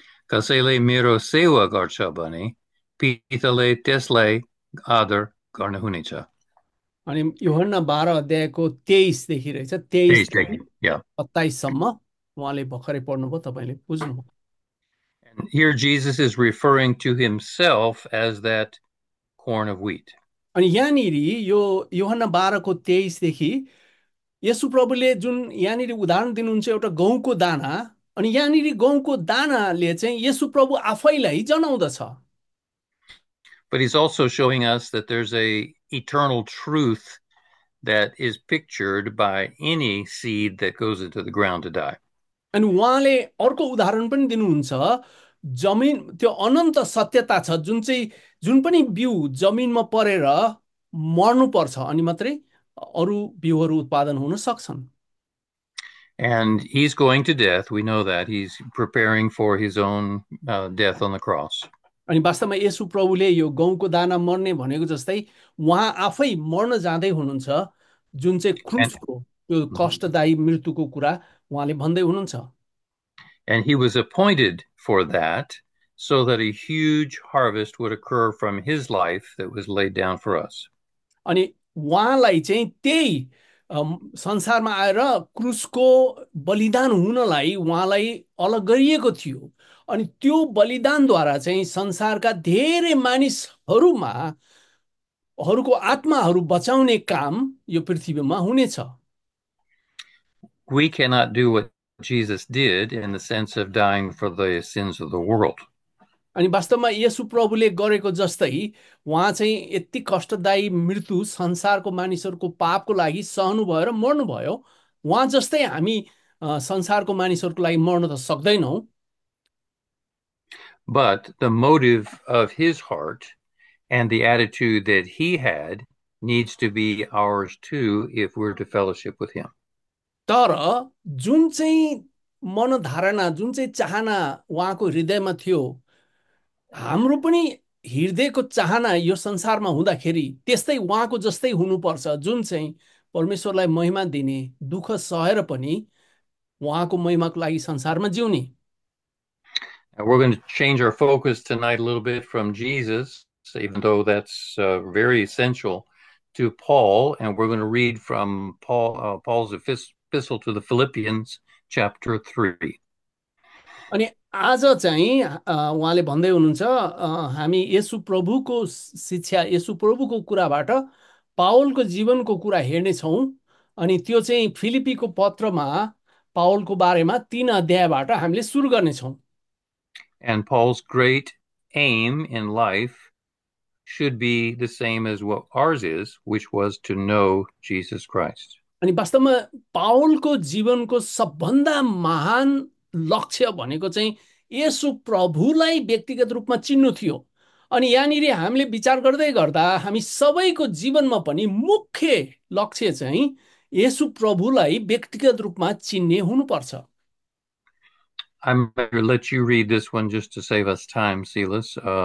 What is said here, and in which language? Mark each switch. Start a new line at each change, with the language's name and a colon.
Nepali: कसैले मेरो सेवा गर्छ भने पिताले त्यसलाई आदर गर्नुहुनेछ। अनि युहन्ना 12 अध्यायको 23 देखि रहेछ, 23 देखि
English: Yeah.
Nepali: 27 उहाँले भर्खरै पढ्नुभयो, तपाईँले बुझ्नुभयो।
English: And here Jesus is referring to himself as that corn of wheat.
Nepali: अनि यहाँनिर यो युहन्ना 12 को 23 देखि यसु प्रभुले जुन यहाँनिर उदाहरण दिनुहुन्छ एउटा गहुँको दाना, अनि यहाँनिर गहुँको दानाले चाहिँ यसु प्रभु आफैलाई जनाउँदछ।
English: But he's also showing us that there's a eternal truth that is pictured by any seed that goes into the ground to die.
Nepali: अनि उहाँले अर्को उदाहरण पनि दिनुहुन्छ, जमिन त्यो अनन्त सत्यता छ जुन चाहिँ जुन पनि बिउ जमिनमा परेर मर्नुपर्छ अनि मात्रै अरू बिउहरू उत्पादन हुन सक्छन्।
English: And he's going to death. We know that. He's preparing for his own death on the cross.
Nepali: अनि वास्तवमा येशु प्रभुले यो गहुँको दाना मर्ने भनेको जस्तै उहाँ आफै मर्न जाँदै हुनुहुन्छ, जुन चाहिँ क्रुसको त्यो कष्टदायी मृत्युको कुरा उहाँले भन्दै हुनुहुन्छ।
English: And he was appointed for that, so that a huge harvest would occur from his life that was laid down for us.
Nepali: अनि उहाँलाई चाहिँ त्यही संसारमा आएर क्रुसको बलिदान हुनलाई उहाँलाई अलग गरिएको थियो, अनि त्यो बलिदानद्वारा चाहिँ संसारका धेरै मानिसहरूमा हरूको आत्माहरू बचाउने काम यो पृथ्वीमा हुनेछ।
English: We cannot do what Jesus did in the sense of dying for the sins of the world.
Nepali: अनि वास्तवमा येशु प्रभुले गरेको जस्तै उहाँ चाहिँ यति कष्टदायी मृत्यु संसारको मानिसहरूको पापको लागि सहनु भएर मर्नुभयो, उहाँ जस्तै हामी संसारको मानिसहरूको लागि मर्न त सक्दैनौँ।
English: But the motive of his heart and the attitude that he had needs to be ours too if we're to fellowship with him.
Nepali: तर जुन चाहिँ मनधारणा, जुन चाहिँ चाहना उहाँको हृदयमा थियो, हाम्रो पनि हृदयको चाहना यो संसारमा हुँदाखेरि त्यस्तै उहाँको जस्तै हुनुपर्छ, जुन चाहिँ परमेश्वरलाई महिमा दिने, दुःख सहेर पनि उहाँको महिमाको लागि संसारमा जिउने।
English: Now we're going to change our focus tonight a little bit from Jesus, even though that's very essential, to Paul, and we're going to read from Paul's epistle to the Philippians, chapter 3.
Nepali: अनि आज चाहिँ उहाँले भन्दै हुनुहुन्छ, हामी येशु प्रभुको शिक्षा, येशु प्रभुको कुराबाट पावलको जीवनको कुरा हेर्नेछौँ। अनि त्यो चाहिँ फिलिपीको पत्रमा पावलको बारेमा 3 अध्यायबाट हामीले सुरु गर्नेछौँ।
English: And Paul's great aim in life should be the same as what ours is, which was to know Jesus Christ.
Nepali: अनि वास्तवमा पावलको जीवनको सबभन्दा महान लक्ष्य भनेको चाहिँ येशु प्रभुलाई व्यक्तिगत रूपमा चिन्नु थियो। अनि यहाँनिर हामीले विचार गर्दै गर्दा हामी सबैको जीवनमा पनि मुख्य लक्ष्य चाहिँ येशु प्रभुलाई व्यक्तिगत रूपमा चिन्ने हुनुपर्छ।
English: I'm going to let you read this one just to save us time, Silas.